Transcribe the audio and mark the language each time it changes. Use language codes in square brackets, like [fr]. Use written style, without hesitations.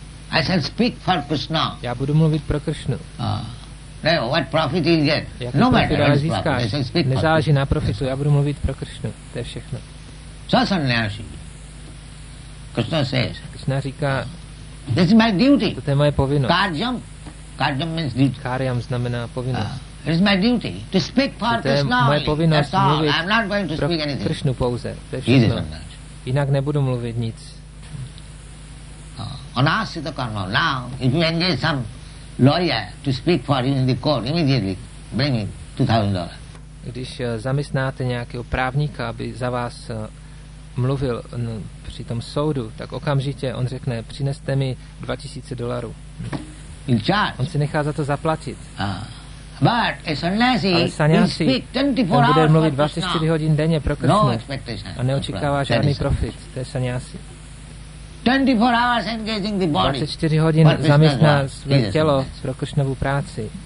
[en] I shall speak for Krishna. [cs] Já budu mluvit pro Krishnu. [en] What profit is there? No matter what profit, I shall speak for. [cs] Nezáleží na profitu, já budu mluvit pro Krishnu. To je všechno. [en] Sa sanyasi. Krishna says, [cs] Krishna říká, [en] this is my duty. [cs] To je moje povinnost. [en] Karjam. Karjam means duty. [cs] Karyam znamená povinnost. [en] It is my duty to speak for Krishna. [cs] Moje povinnost mluvit. [en] I'm not going to speak anything. [cs] Krishnu pouze. To je všechno. Jinak nebudu mluvit nic. [sa] Anasita karma. [en] Now, if you engage some lawyer to speak for you in the court, immediately bring him $2,000. [cs] Když zaměstnáte nějakého právníka, aby za vás mluvil při tom soudu, tak okamžitě on řekne, přineste mi $2,000. On si nechá za to zaplatit. [en] But a sanyasi, [cs] ale sanyasi, ten bude mluvit 24 hodin denně pro Krishnu. [en] No expectation. [cs] A neočekává žádný profit. To je sanyasi. [en] 24 hours engaging the body. [cs] 24 hodin zaměstná své tělo pro Krishnovu práci.